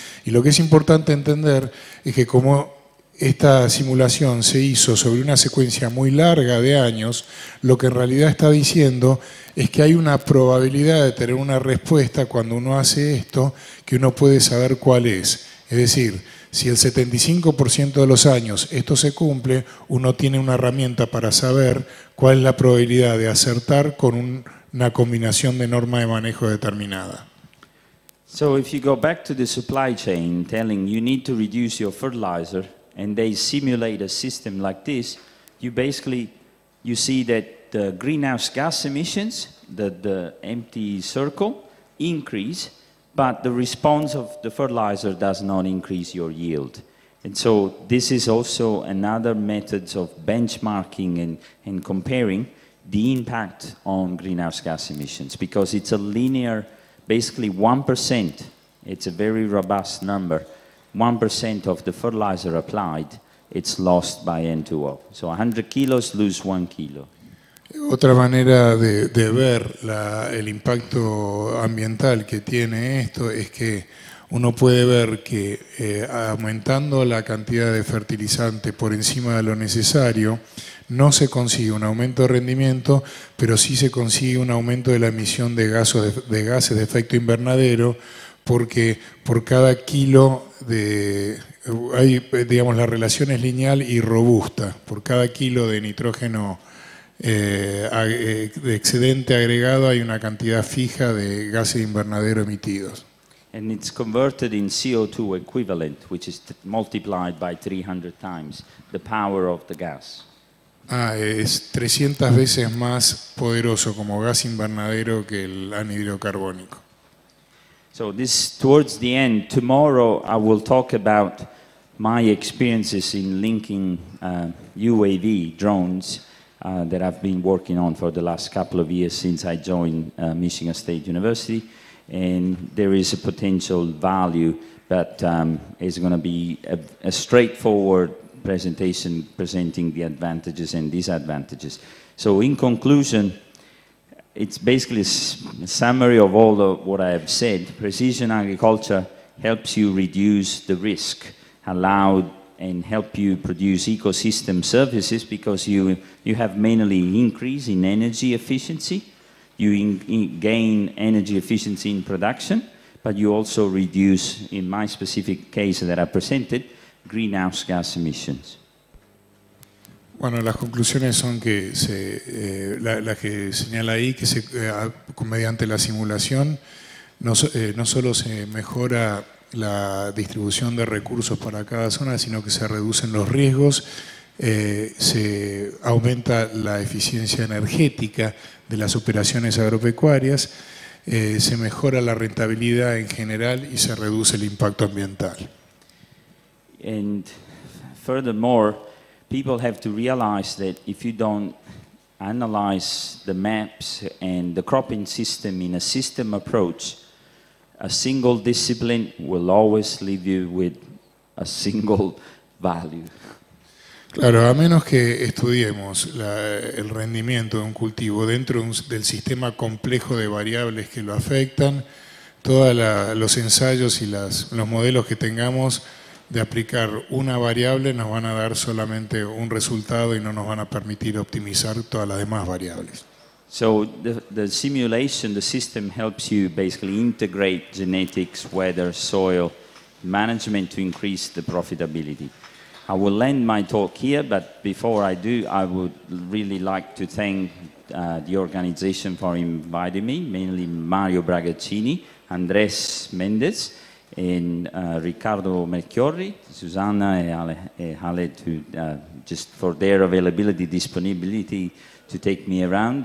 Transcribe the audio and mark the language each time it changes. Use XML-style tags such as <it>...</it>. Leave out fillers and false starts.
<es>Y lo que es importante entender es que como esta simulación se hizo sobre una secuencia muy larga de años, lo que en realidad está diciendo es que hay una probabilidad de tener una respuesta cuando uno hace esto que uno puede saber cuál es. Es decir, si el 75% de los años esto se cumple, uno tiene una herramienta para saber cuál es la probabilidad de acertar con una combinación de norma de manejo determinada.</es> <en>So if you go back to the supply chain telling you need to reduce your fertilizer, and they simulate a system like this, you basically, you see that the greenhouse gas emissions, the empty circle, increase, but the response of the fertilizer does not increase your yield. And so this is also another method of benchmarking and comparing the impact on greenhouse gas emissions, because it's a linear, basically 1%, it's a very robust number, 1% of the fertilizer applied, it's lost by N2O. So 100 kilos lose 1 kilo.</en> <es>Otra manera de ver el impacto ambiental que tiene esto es que uno puede ver que aumentando la cantidad de fertilizante por encima de lo necesario, no se consigue un aumento de rendimiento, pero sí se consigue un aumento de la emisión de gases de efecto invernadero, porque por cada kilo de... Hay, digamos, la relación es lineal y robusta. Por cada kilo de nitrógeno de excedente agregado hay una cantidad fija de gases de invernadero emitidos.</es> <en>And it's converted in CO2 equivalent, which is multiplied by 300 times the power of the gas.</en> <es>Ah, es 300 veces más poderoso como gas invernadero que el anhídrido carbónico.</es> <en>So this towards the end, tomorrow I will talk about my experiences in linking UAV drones that I've been working on for the last couple of years since I joined Michigan State University. And there is a potential value, but it's going to be a straightforward presentation presenting the advantages and disadvantages. So in conclusion, it's basically a summary of all of what I have said. Precision agriculture helps you reduce the risk, allow and help you produce ecosystem services, because you have mainly increase in energy efficiency. You gain energy efficiency in production, but you also reduce, in my specific case that I presented, greenhouse gas emissions.</en> <es>Bueno, las conclusiones son que las que señala ahí, que mediante la simulación no solo se mejora la distribución de recursos para cada zona, sino que se reducen los riesgos, se aumenta la eficiencia energética de las operaciones agropecuarias, se mejora la rentabilidad en general y se reduce el impacto ambiental.</es> <en>And furthermore, people have to realize that if you don't analyze the maps and the cropping system in a system approach, a single discipline will always leave you with a single value.</en> <es>Claro, a menos que estudiemos el rendimiento de un cultivo dentro del sistema complejo de variables que lo afectan, todos los ensayos y los modelos que tengamos de aplicar una variable nos van a dar solamente un resultado y no nos van a permitir optimizar todas las demás variables.</es> <en>So the simulation, the system helps you basically integrate genetics, weather, soil management to increase the profitability. I will end my talk here, but before I do, I would really like to thank the organization for inviting me, mainly Mario Bragaccini, Andres Mendez, and Riccardo Melchiorri, Susanna and Ale just for their availability, disponibility to take me around.</en>